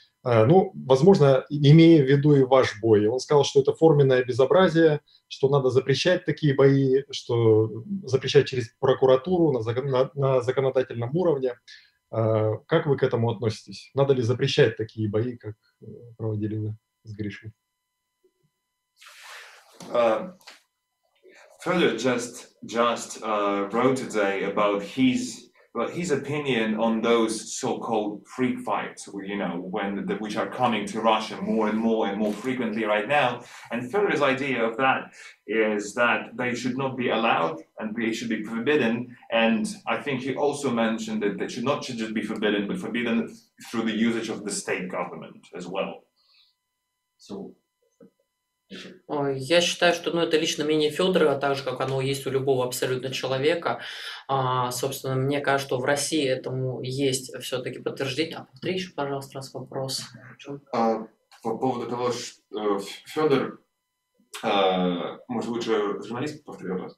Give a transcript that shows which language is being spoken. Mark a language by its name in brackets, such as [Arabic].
[Russian] Ну, возможно, имея в виду и ваш бой. Он сказал, что это форменное безобразие, что надо запрещать такие бои, что запрещать через прокуратуру на законодательном уровне. Как вы к этому относитесь? Надо ли запрещать такие бои, как проводили вы с Гришей? [English] Fedor just wrote today about his opinion on those so-called freak fights, you know, which are coming to Russia more and more and more frequently right now. And Fedor's idea of that is that they should not be allowed and they should be forbidden. And I think he also mentioned that they should not just be forbidden, but forbidden through the usage of the state government as well. So. [Russian] Я считаю, что, ну, это лично мнение Федора, а так же, как оно есть у любого абсолютно человека. Собственно, мне кажется, что в России этому есть все-таки подтверждение. А повтори еще, пожалуйста, раз вопрос. По поводу того, что Федор, может, лучше журналист повторит вопрос?